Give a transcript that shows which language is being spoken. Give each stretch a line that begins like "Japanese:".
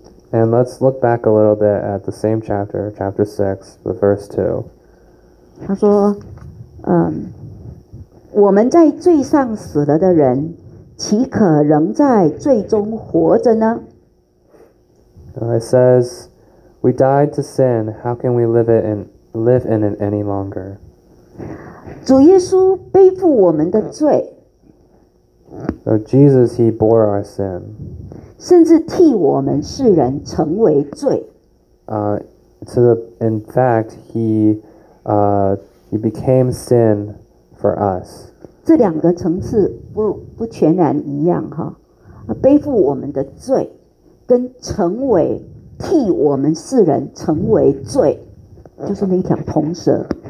English: And let's look back a little bit at the same chapter, chapter 6, verse 2.
Chinese: 他说我们在罪上死了的人岂可仍在罪中活着呢？
English: It says, we died to sin, how can we live in it any longer?
Chinese: 主耶稣背负我们的罪。
English: So Jesus, he bore our sin.
Chinese: 甚至替我们世人成为罪。
English: In fact, he became sin for us.
Chinese: 这两个层次 不全然一样哈，背负我们的罪跟成为替我们世人成为罪就是那一条铜蛇。